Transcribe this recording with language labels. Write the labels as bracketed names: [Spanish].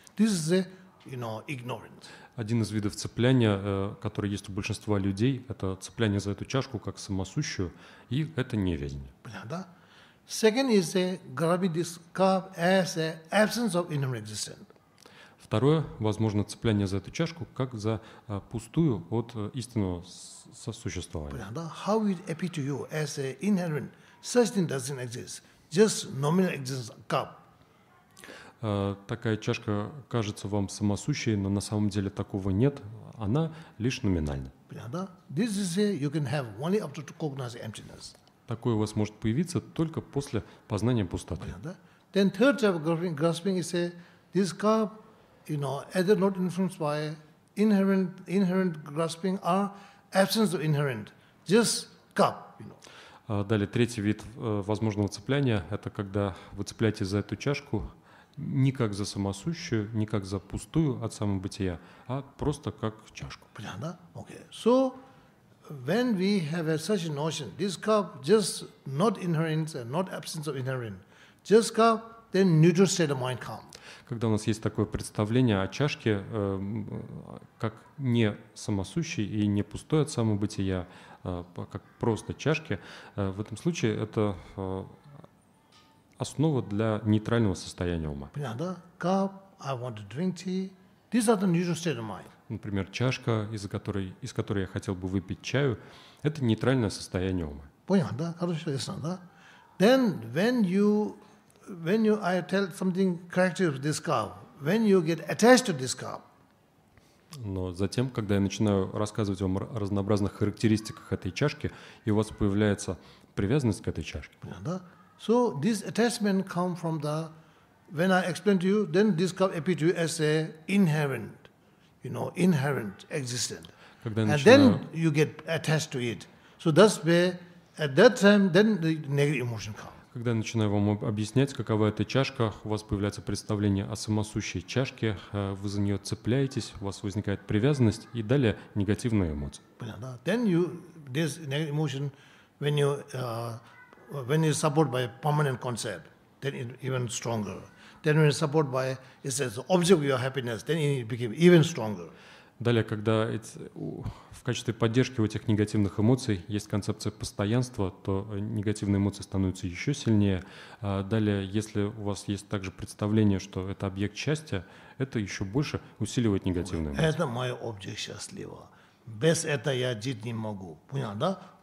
[English] This is a, you know, ignorance. [Russian] Один из видов цепляния, который есть у большинства людей, это цепляние за эту чашку как самосущую, и это неведение. Понятно? [English] Second is a grabbing this cup as a absence of inner existence. [Russian] Второе, возможно, цепляние за эту чашку, как за пустую от истинного сосуществования. [English] How it appear to you as a inherent, such thing doesn't exist, just nominal existence cup. [Russian] Такая чашка кажется вам самосущей, но на самом деле такого нет, она лишь номинальна. Понятно? [English] This is a, you can have only after to cognize emptiness. [Russian] Такое у вас может появиться только после познания пустоты. Понятно? [English] Then third type of grasping is a, this cup, you know, either not influenced by inherent grasping or absence of inherent, just cup, you know. [Russian] Далее, третий вид возможного цепляния – это когда вы цепляетесь за эту чашку не как за самосущую, не как за пустую от самобытия, а просто как чашку. Понятно? Okay. [English] So, when we have such a notion, this cup just not inherent and not absence of inherent, just cup, then neutral state of mind comes. [Russian] Когда у нас есть такое представление о чашке как не самосущей и не пустой от самобытия, как просто чашки, в этом случае это основа для нейтрального состояния ума. Понятно? [English] Cup, I want to drink tea. These are the neutral state of mind. [Russian] Например, чашка, из которой я хотел бы выпить чаю, это нейтральное состояние ума. Понятно, да? Хорошо, ясно, да? [English] Then, when you, I tell something characteristic of this cup, when you get attached to this cup, [Russian] но затем, когда я начинаю рассказывать вам о разнообразных характеристиках этой чашки, и у вас появляется привязанность к этой чашке. Да? [English] So this attachment comes from the when I explain to you, then this cup appears to you as a inherent, you know, inherent existent. [Russian] Когда я [English] and [Russian] начинаю... [English] then you get attached to it. So that's where at that time then the negative emotion comes. [Russian] Когда я начинаю вам объяснять, какова эта чашка, у вас появляется представление о самосущей чашке, вы за нее цепляетесь, у вас возникает привязанность и далее негативная эмоция. [English] Then you this negative emotion when you support by permanent concept, then it even stronger. Then when you support by it says object of your happiness, then it became even stronger. [Russian] Далее, когда в качестве поддержки у этих негативных эмоций есть концепция постоянства, то негативные эмоции становятся еще сильнее. Далее, если у вас есть также представление, что это объект счастья, это еще больше усиливает негативные эмоции. Это мой объект счастлива. Без этого я жить не могу. Понял, да?